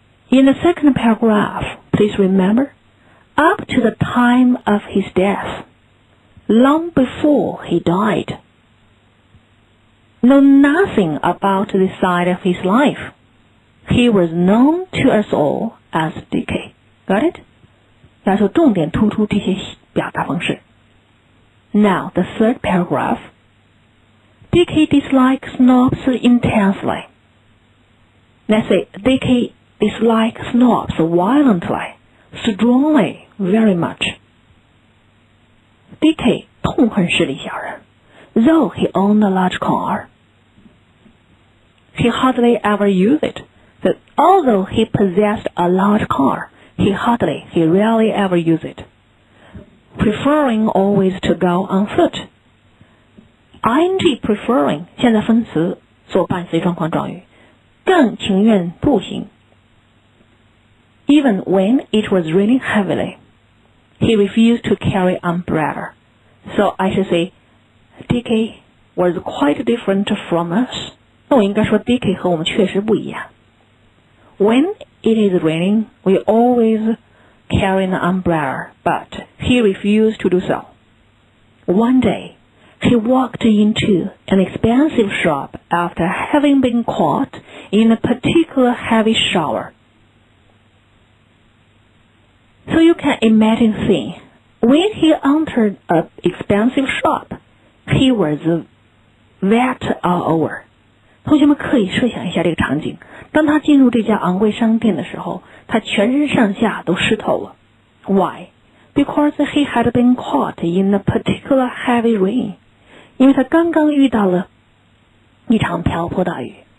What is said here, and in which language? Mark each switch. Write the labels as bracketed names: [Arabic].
[English] In the second paragraph, please remember, up to the time of his death, long before he died. Know nothing about this side of his life. He was known to us all as DK. Got it? [Chinese] 要求重点突出这些表达方式。 [English] Now, the third paragraph. DK dislikes snobs intensely. Let's say, DK dislikes snobs violently, strongly, very much. DK [Chinese] 痛恨势利小人, [English] though he owned a large car. He hardly ever used it, but although he possessed a large car, he rarely ever used it. Preferring always to go on foot. ing preferring, [Chinese] 现在分词所伴随状况状语，更情愿步行。 [English] Even when it was raining heavily, he refused to carry umbrella. So I should say, DK was quite different from us. [Chinese] 那我应该说 DK 和我们确实不一样。 [English] When it is raining, we always... carrying an umbrella, but he refused to do so. One day, he walked into an expensive shop after having been caught in a particular heavy shower. So you can imagine see, when he entered an expensive shop, he was wet all over. [Chinese] 同学们可以设想一下这个场景，当他进入这家昂贵商店的时候，他全身上下都湿透了。 [English] Why? Because he had been caught in a particular heavy rain. [Chinese] 因为他刚刚遇到了一场瓢泼大雨。